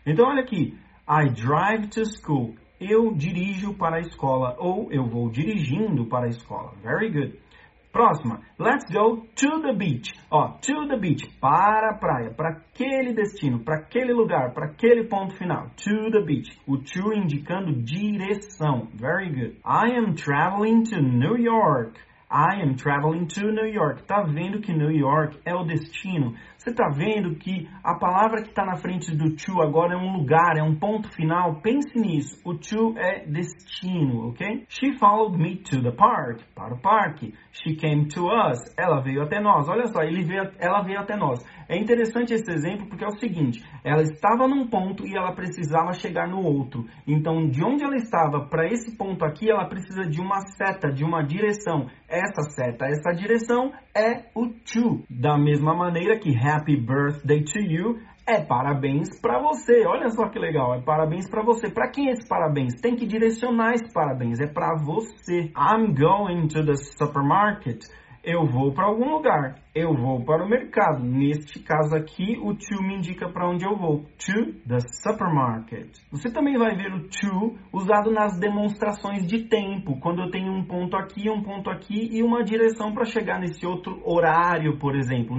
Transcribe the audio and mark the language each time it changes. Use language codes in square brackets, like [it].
[pt] Então olha aqui, [en] I drive to school, [pt] eu dirijo para a escola, ou eu vou dirigindo para a escola. [en] Very good. [pt] Próxima, [en] let's go to the beach. [pt] Ó, [en] to the beach, [pt] para a praia, para aquele destino, para aquele lugar, para aquele ponto final. [en] To the beach, [pt] o to indicando direção. [en] Very good. I am traveling to New York. I am traveling to New York. [pt] Tá vendo que New York é o destino? Você tá vendo que a palavra que tá na frente do to agora é um lugar, é um ponto final? Pense nisso. O to é destino, ok? [en] She followed me to the park. [pt] Para o parque. [en] She came to us. [pt] Ela veio até nós. Olha só, ela veio até nós. É interessante esse exemplo porque é o seguinte. Ela estava num ponto e ela precisava chegar no outro. Então, de onde ela estava para esse ponto aqui, ela precisa de uma seta, de uma direção. Essa seta, essa direção é o to. Da mesma maneira que [en] happy birthday to you [pt] é parabéns para você. Olha só que legal, é parabéns para você. Para quem é esse parabéns? Tem que direcionar esse parabéns, é para você. [en] I'm going to the supermarket. [pt] Eu vou para algum lugar, eu vou para o mercado. Neste caso aqui, o to me indica para onde eu vou. [en] To the supermarket. [pt] Você também vai ver o to usado nas demonstrações de tempo. Quando eu tenho um ponto aqui e uma direção para chegar nesse outro horário, por exemplo.